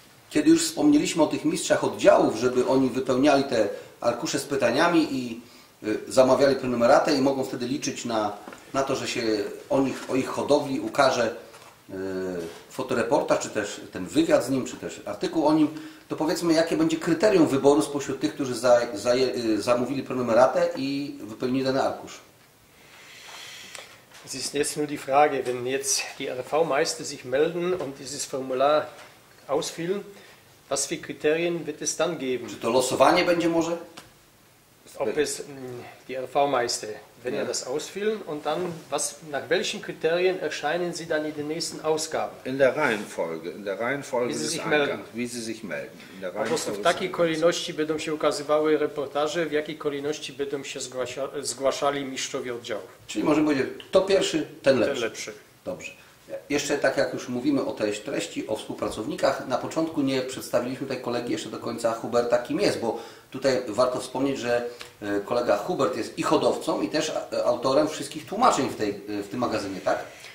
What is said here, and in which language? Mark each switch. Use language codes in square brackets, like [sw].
[pl] Kiedy już wspomnieliśmy o tych mistrzach oddziałów, żeby oni wypełniali te arkusze z pytaniami i zamawiali prenumeratę i mogą wtedy liczyć na to, że się o ich hodowli ukaże fotoreportaż, czy też ten wywiad z nim, czy też artykuł o nim, to powiedzmy, jakie będzie kryterium wyboru spośród tych, którzy zamówili prenumeratę i wypełnili ten arkusz? [de] Es ist jetzt nur die Frage, wenn jetzt die RV-Meister sich melden und dieses Formular ausfüllen, was für Kriterien wird es dann geben? [pl] Czy to losowanie będzie może? [de] Ob es die RV-Meister, wenn ja. Er das ausfüllen und dann, was, nach welchen Kriterien erscheinen sie dann in den nächsten Ausgaben? In der Reihenfolge, wie sie sich melden. In der Reihenfolge. [pl] Also w takiej kolejności będą się ukazywały reportaże, w jakiej kolejności będą się zgłaszali mistrzowie oddziałów. Czyli możemy powiedzieć, to pierwszy, ten lepszy. Ten lepszy. Dobrze. Jeszcze tak jak już mówimy o tej treści, o współpracownikach, na początku nie przedstawiliśmy tutaj kolegi jeszcze do końca Huberta, kim jest, bo tutaj warto wspomnieć, że kolega Hubert jest i hodowcą, i też autorem wszystkich tłumaczeń w tym magazynie, tak?